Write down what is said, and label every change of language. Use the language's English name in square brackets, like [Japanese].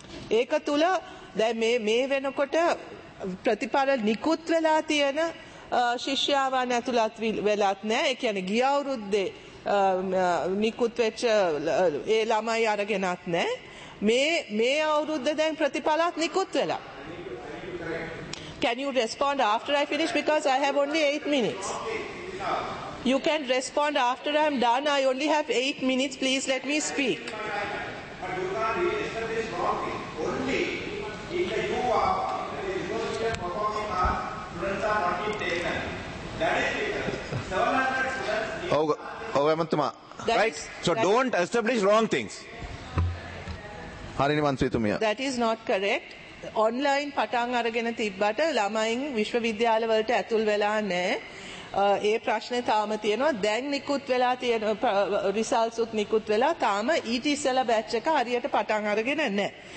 [Sinhala] ඒක තුළ දැන් මේ වෙනකොට ප්‍රතිඵල නිකුත් වෙලා තියෙන ශිෂ්‍යාවන් ඇතුළත් වෙලත් නැහැ. ඒ කියන්නේ ගිය අවුරුද්දේ නිකුත් වෙච්ච ඒ ළමයි අරගෙනත් නැහැ. මේ අවුරුද්ද දැන් ප්‍රතිඵලත් නිකුත් වෙලා. [English] Can you respond after I finish? Because I have only 8 minutes. You can respond after I'm done. I only have 8 minutes. Please let me speak. Oh, Amantuma. Right? So don't establish wrong things. That is not correct. [Sinhala] Online පටන් අරගෙන තිබ්බට ළමයින් විශ්වවිද්‍යාලවලට ඇතුල් වෙලා නැහැ. ඒ ප්‍රශ්නේ තාම තියෙනවා. දැන් නිකුත් වෙලා තියෙන රිසල්ට්ස් උත් නිකුත් වෙලා තාම ඊට ඉස්සෙල්ලා බැච් එක හරියට පටන් අරගෙන නැහැ.